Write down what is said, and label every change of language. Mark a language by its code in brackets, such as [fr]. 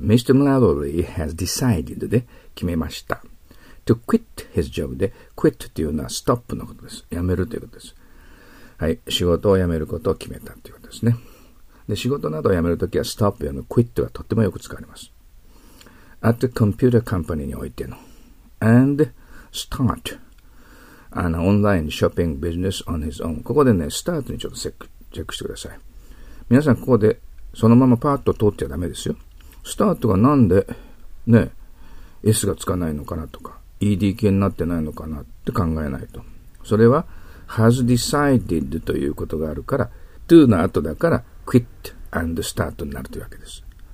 [en] Mr. Mallory has decided [ja] で決めました。 [en] To quit his job [ja] で、quit というのはストップのことです。辞めるということです。はい。仕事を辞めることを決めたということですね。で、仕事などを辞めるときは、ストップよりも quit がとってもよく使われます。 [en] at computer company [ja] においての。 [en] and start an online shopping business on his own。 [ja] ここでね、start にちょっとチェックしてください。皆さん、ここでそのままパーッと通っちゃダメですよ。start がなんで、ね、s がつかないのかなとか。 ED 系になってないのかなって考えないと。それは、has decided ということがあるから、to の後だから、 [en] quit and start [ja] になるというわけです。